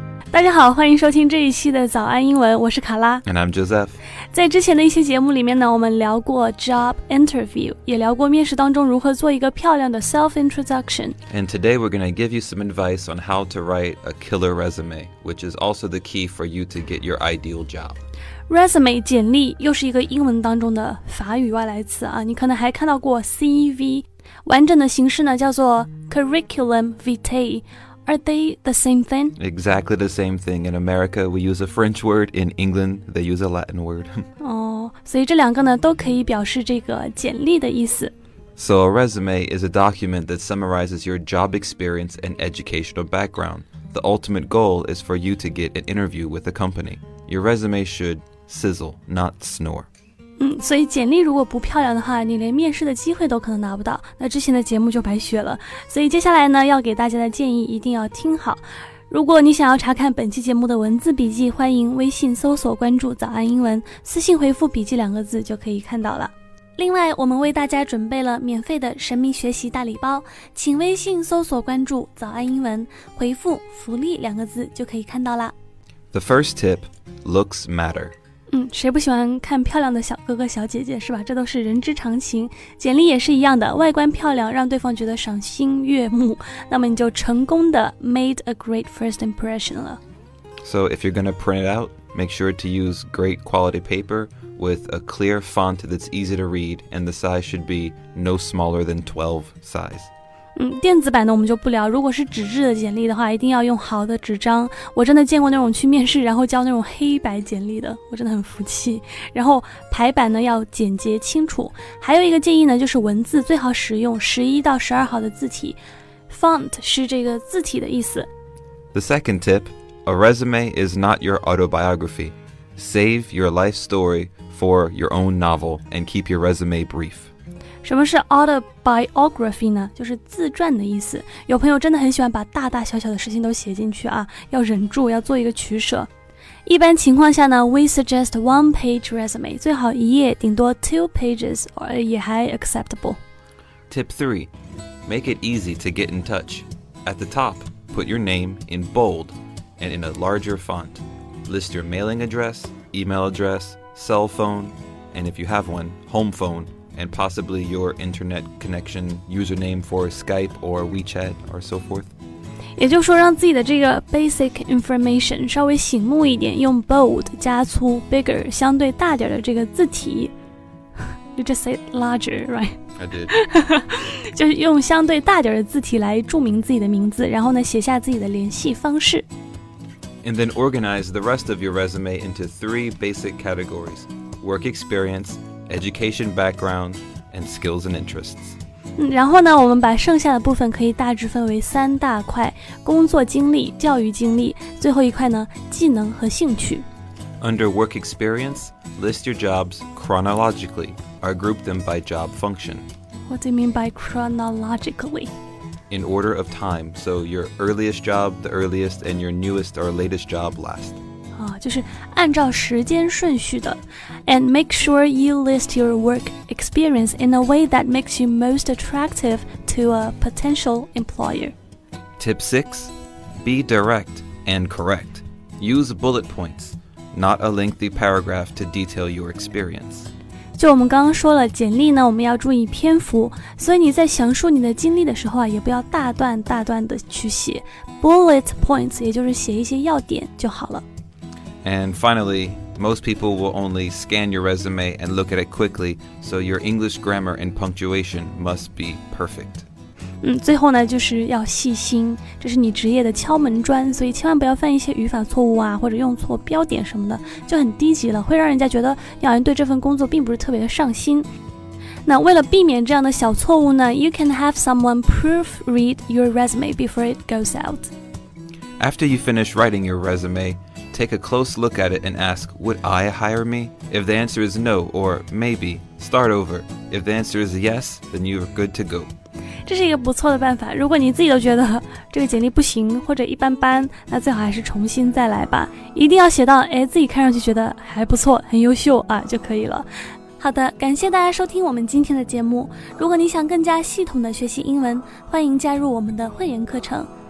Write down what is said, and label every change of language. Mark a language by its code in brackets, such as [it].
[zh] 大家好，欢迎收听这一期的早安英文，我是卡拉。 [en] And I'm Joseph。 [zh] 在之前的一些节目里面呢，我们聊过 [en] job interview， [zh] 也聊过面试当中如何做一个漂亮的 [en] self introduction。 And today we're going to give you some advice on how to write a killer resume, which is also the key for you to get your ideal job. [zh] Resume, 简历，又是一个英文当中的法语外来词啊，你可能还看到过 CV， 完整的形式呢叫做 curriculum vitae。 [en] Are they the same thing? Exactly the same thing. In America, we use a French word. In England, they use a Latin word. [zh] Oh, 所以这两个呢都可以表示这个简历的意思。 [en] So a resume is a document that summarizes your job experience and educational background. The ultimate goal is for you to get an interview with a company. Your resume should sizzle, not snore. [zh] 所以简历如果不漂亮的话，你连面试的机会都可能拿不到，那之前的节目就白学了。所以接下来呢，要给大家的建议一定要听好。如果你想要查看本期节目的文字笔记，欢迎微信搜索关注早安英文，私信回复笔记两个字就可以看到了。另外，我们为大家准备了免费的神秘学习大礼包，请微信搜索关注早安英文，回复福利两个字就可以看到了。 [en] The first tip, looks matter. [zh] 谁不喜欢看漂亮的小哥哥小姐姐，是吧？这都是人之常情。简历也是一样的，外观漂亮，让对方觉得赏心悦目，那么你就成功的 [en] made a great first impression [zh] 了。 [en] So if you're gonna print it out, make sure to use great quality paper with a clear font that's easy to read, and the size should be no smaller than 12 size. [zh] 电子版的我们就不聊，如果是纸质的简历的话，一定要用好的纸张。我真的见过那种去面试然后交那种黑白简历的，我真的很服气。然后排版呢要简洁清楚，还有一个建议呢，就是文字最好使用11到12号的字体。 Font 是这个字体的意思。 [en] The second tip, a resume is not your autobiography. Save your life story for your own novel and keep your resume brief. [zh] 什么是 autobiography 呢？就是自传的意思。有朋友真的很喜欢把大大小小的事情都写进去啊，要忍住，要做一个取舍。一般情况下呢， [en] we suggest one page resume， [zh] 最好一页，顶多 [en] two pages， [zh] 也还 acceptable。 [en] Tip 3, make it easy to get in touch. At the top, put your name in bold and in a larger font. List your mailing address, email address, cell phone, and if you have one, home phoneand possibly your internet connection username for Skype or WeChat or so forth. [zh] 也就是说让自己的这个 [en] basic information [zh] 稍微醒目一点，用 bold 加粗 [en] bigger [zh] 相对大点的这个字体。 [en] You just said larger, right? I did. [zh] 就是用相对大点的字体来注明自己的名字，然后呢写下自己的联系方式。 [en] And then organize the rest of your resume into three basic categories: work experienceeducation background, and skills and interests. [zh] 然后呢，我们把剩下的部分可以大致分为三大块，工作经历、教育经历，最后一块呢，技能和兴趣。 [en] Under work experience, list your jobs chronologically, or group them by job function. What do you mean by chronologically? In order of time, so your earliest job, the earliest, and your newest or latest job last. [zh] 就是按照时间顺序的。 [en] And make sure you list your work experience in a way that makes you most attractive to a potential employer. Tip 6, be direct and correct. Use bullet points, not a lengthy paragraph to detail your experience. [zh] 就我们刚刚说了，简历呢我们要注意篇幅，所以你在详述你的经历的时候啊，也不要大段大段的去写， bullet points 也就是写一些要点就好了。 [en] And finally, most people will only scan your resume and look at it quickly, so your English grammar and punctuation must be perfect. [zh] 最后呢就是要细心，这是你职业的敲门砖，所以千万不要犯一些语法错误啊，或者用错标点什么的，就很低级了，会让人家觉得你好像对这份工作并不是特别的上心。那为了避免这样的小错误呢， [en] you can have someone proofread your resume before it goes out. After you finish writing your resume,take a close look at it and ask, would I hire me? If the answer is no, or maybe, start over. If the answer is yes, then you are good to go. [zh] 这是一个不错的办法。如果你自己都觉得这个简历不行或者一般般，那最好还是重新再来吧。一定要写到哎，自己看上去觉得还不错，很优秀啊，就可以了。好的，感谢大家收听我们今天的节目。如果你想更加系统的学习英文，欢迎加入我们的会员课程。